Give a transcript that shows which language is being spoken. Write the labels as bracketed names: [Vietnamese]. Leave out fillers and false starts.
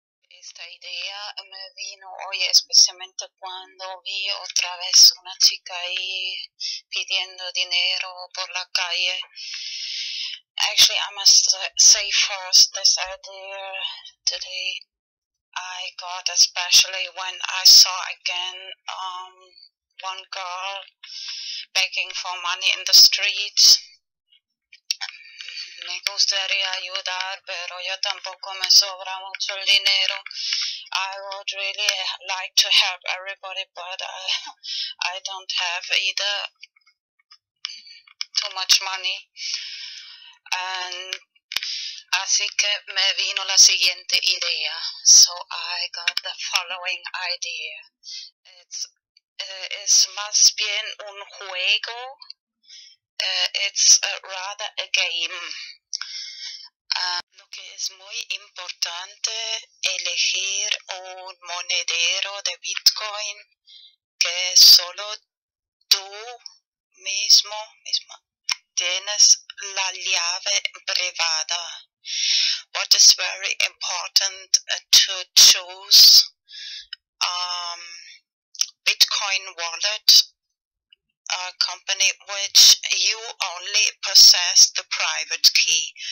[Spanish] Esta idea me vino hoy especialmente cuando vi otra vez una chica ahí pidiendo dinero por la calle. [English] Actually, I must say first this idea today I got, especially when I saw again one girl begging for money in the streets. [Spanish] Me gustaría ayudar, pero yo tampoco me sobra mucho el dinero. [English] I would really like to help everybody, but I don't have either too much money. [Spanish] And así que me vino la siguiente idea. [English] So I got the following idea. It's [Spanish] más bien un juego. [English] It's rather a game. [Spanish] Lo que es muy importante elegir un monedero de Bitcoin que solo tú mismo tienes la llave privada. [English] What is very important to choose Bitcoin wallet, a company which you only possess the private key.